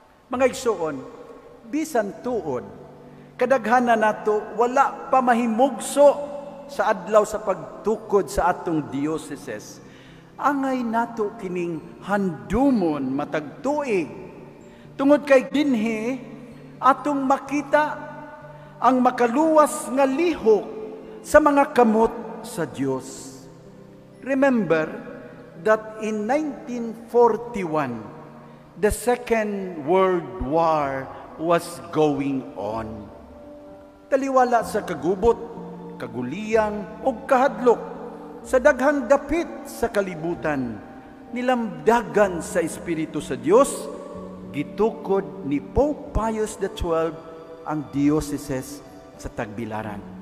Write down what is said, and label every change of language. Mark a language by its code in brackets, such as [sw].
[ceb] Mga igsoon, bisan tuod, kadaghana nato wala pa mahimugso sa adlaw sa pagtukod sa atong diocese. Angay nato kining handumon matagtuig. Tungod kay dinhi, atong makita ang makaluwas nga lihok sa mga kamot sa Dios. [en] Remember that in 1941, the Second World War was going on. [ceb] Taliwala sa kagubot, kaguliyang o kahadlok sa daghang dapit sa kalibutan, nilamdagan sa Espiritu sa Dios, gitukod ni Pope Pius XII ang diocese sa Tagbilaran.